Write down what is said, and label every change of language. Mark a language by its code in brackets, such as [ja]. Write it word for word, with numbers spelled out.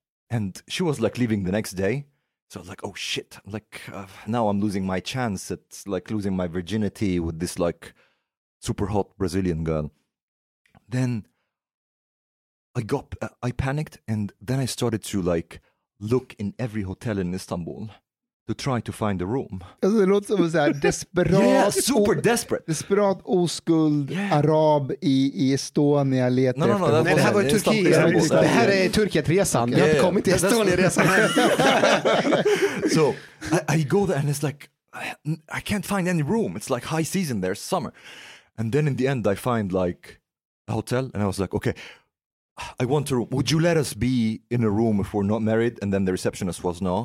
[en] And she was like leaving the next day. So I was like, oh shit, like uh, now I'm losing my chance at like losing my virginity with this like super hot Brazilian girl. Then... I got, uh, I panicked, and then I started to like look in every hotel in Istanbul to try to find a room. [sv] Alltså, det låter som en så här desperat, [en] yeah, super desperate. [sv] desperat oskuld yeah. arab i, i Estonia letar [en] no, no, no, [sv] efter. Nej, det här var Turkiet. Det här är Turkietresan. Okay. Jag har inte kommit till Estoniaresan. [en] So I, I go there, and it's like I can't find any room. It's like high season there, summer, and then in the end I find like a hotel, and I was like, okay. I want a room. Would you let us be in a room if we're not married? And then the receptionist was no.